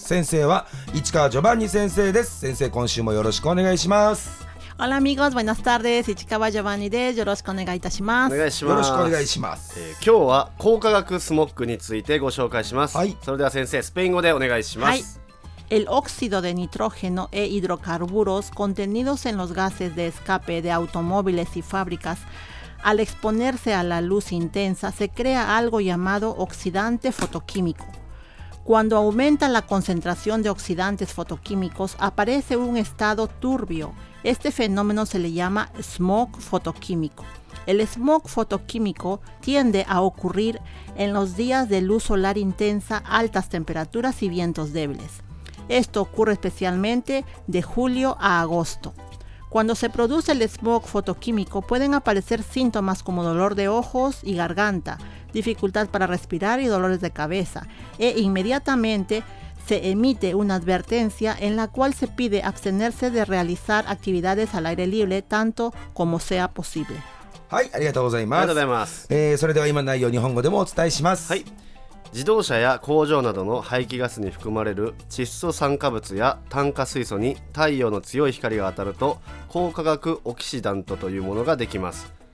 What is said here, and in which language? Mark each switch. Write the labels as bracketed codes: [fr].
[ja] 先生は市川ジョバンニ先生です。先生、今週もよろしくお願いします。オラミゴズバナスターです。市川ジョバンニです。よろしくお願いいたします。お願いします。よろしくお願いします。今日は光化学スモックについてご紹介します。はい、それでは先生、スペイン語でお願いします。はい、 [es] El óxido de nitrógeno e hidrocarburos contenidos en los gases de escape de automóviles y fábricas, al exponerse a la luz intensa, se crea algo llamado oxidante fotoquímico. Cuando aumenta la concentración de oxidantes fotoquímicos, aparece un estado turbio. Este fenómeno se le llama smog fotoquímico. El smog fotoquímico tiende a ocurrir en los días de luz solar intensa, altas temperaturas y vientos débiles. Esto ocurre especialmente de julio a agosto. Cuando se produce el smog fotoquímico, pueden aparecer síntomas como dolor de ojos y garganta, dificultad para respirar y dolores de cabeza. E inmediatamente se emite una advertencia en la cual se pide abstenerse de realizar actividades al aire libre tanto como sea posible. [ja] はい、ありがとうございます。ありがとうございます。それでは今の内容を日本語でもお伝えします。はい。自動車や工場などの排気ガスに含まれる窒素酸化物や炭化水素に太陽の強い光が当たると光化学オキシダントというものができます。